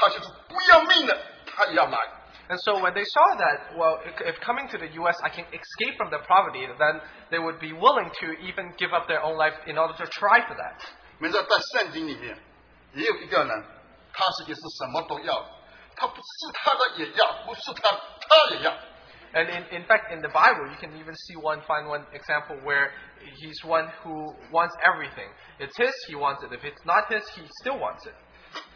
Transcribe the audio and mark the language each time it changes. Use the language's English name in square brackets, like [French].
[Chinese] 他看见，我当来到美国可以脱离那个贫穷，他就是不要命的，他也要来。 [English] And so when they saw that, well, if coming to the U.S. I can escape from the poverty, then they would be willing to even give up their own life in order to try for that. [Chinese] 没错，在圣经里面也有一个人，他是什么都要，他不是他的也要，不是他的也要。 [English] And in fact, in the Bible, you can even see one, find one example where he's one who wants everything. It's his, he wants it. If it's not his, he still wants it.